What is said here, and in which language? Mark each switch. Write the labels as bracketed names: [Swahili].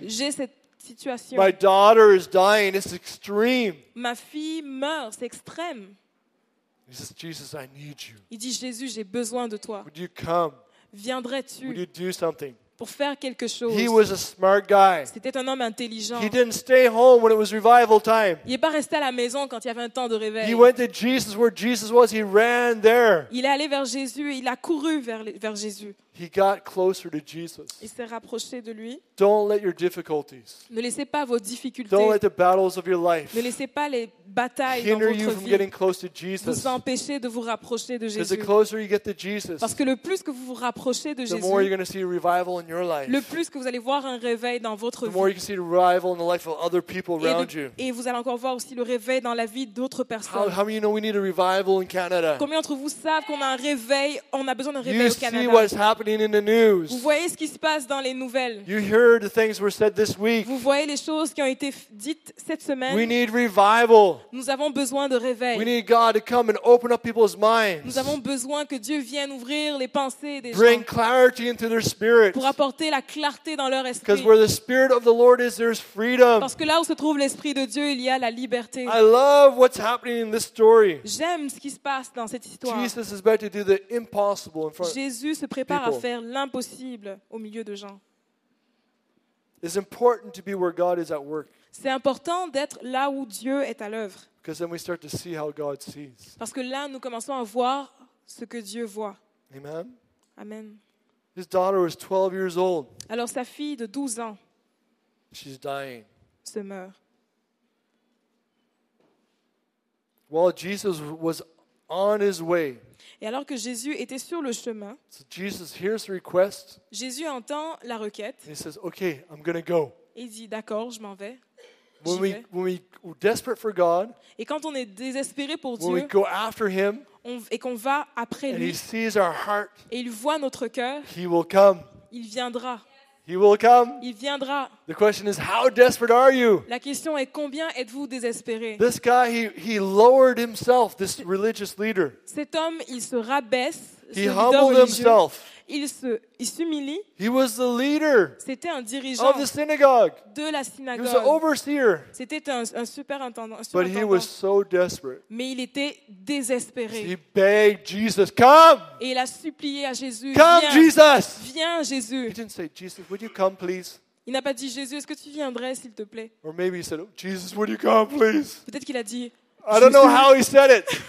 [French] J'ai cette situation. [English] My daughter is dying. It's extreme. [French] Ma fille meurt. C'est extrême. [English] He says, Jesus, I need you. [French] Il dit Jésus, j'ai besoin de toi. [English] Would you come? [French] Viendrais-tu? [English] Would you do something? [French] Pour faire quelque chose. [English] He was a smart guy. [French] C'était un homme intelligent. [English] He didn't stay home when it was revival time. [French] Il n'est pas resté à la maison quand il y avait un temps de réveil. [English] He went to Jesus where Jesus was. He ran there. [French] Il est allé vers Jésus. Il a couru vers Jésus. [English] He got closer to Jesus. [French] Il s'est rapproché de lui. [English] Don't let your difficulties. [French] Ne laissez pas vos difficultés. [English] Don't let the battles of your life. [French] Ne laissez pas les batailles dans votre vie. [English] Hinder you from getting close to Jesus. [French] Vous empêcher de vous rapprocher de Jésus. [English] Because the closer you get to Jesus. [French] Parce que le plus que vous vous rapprochez de Jésus. [English] The more you're going to see a revival in your life. [French] Le plus que vous allez voir un réveil dans votre vie. [English] The more you can see a revival in the life of other people around you. [French] Et vous allez encore voir aussi le réveil dans la vie d'autres personnes. [English] How many know we need a revival in Canada? [French] Combien d'entre vous savent qu'on a un réveil, on a besoin d'un réveil [English] you [French] au Canada? [English] You see what's happening. In the news. [French] Vous voyez ce qui se passe dans les nouvelles. [English] You hear the things were said this week. [French] Vous voyez les choses qui ont été dites cette semaine. [English] We need revival. [French] Nous avons besoin de réveil. [English] We need God to come and open up people's minds. [French] Nous avons besoin que Dieu vienne ouvrir les pensées des [English] Bring [French] gens. [English] Clarity into their spirit. [French] Pour apporter la clarté dans leur esprit. [English] Because where the spirit of the Lord is, there's freedom. [French] Parce que là où se trouve l'esprit de Dieu, il y a la liberté. [English] I love what's happening in this story. [French] J'aime ce qui se passe dans cette histoire. [English] Jesus is about to do the impossible in front of [French] Jésus se prépare à faire l'impossible au milieu de gens. [English] It's important to be where God is at work. [French] C'est important d'être là où Dieu est à l'œuvre. [English] Because then we start to see how God sees. [French] Parce que là, nous commençons à voir ce que Dieu voit. Amen. Amen. [English] His daughter was 12 years old. [French] Alors sa fille de 12 ans. [English] She's dying. [French] Se meurt. [English] While Jesus was on his way. [French] Et alors que Jésus était sur le chemin. [English] So Jesus hears the request. [French] Jésus entend la requête. [English] And he says, "Okay, I'm going to go." [French] Et il dit d'accord, je m'en vais. [English] When we're desperate for God. [French] Et quand on est désespéré pour [English] when [French] Dieu. [English] We go after him. [French] Et qu'on va après [English] and [French] lui. [English] He sees our heart. [French] Et il voit notre cœur. [English] He will come. [French] Il viendra. [English] He will come. [French] Il viendra. [English] The question is, how desperate are you? [French] La question est, combien êtes-vous désespéré? [English] This guy, he lowered himself, this religious leader. [French] Cet homme, il se rabaisse. [English] He humbled himself. [French] Il s'humilie. [English] He was the leader. [French] C'était un dirigeant [English] of the synagogue. [French] De la synagogue. [English] He was an overseer. [French] C'était un superintendant. [English] But he was so desperate. [French] Mais il était désespéré. [English] He begged Jesus, come. [French] Et il a supplié à Jésus. [English] Come, [French] viens, [English] Jesus. [French] Viens, Jésus. [English] He didn't say, Jesus, would you come, please? [French] Il n'a pas dit, Jésus, est-ce que tu viendrais, s'il te plaît? [English] Or maybe he said, oh, Jesus, would you come, please? [French] Peut-être qu'il a dit. [English] I don't know how he said it.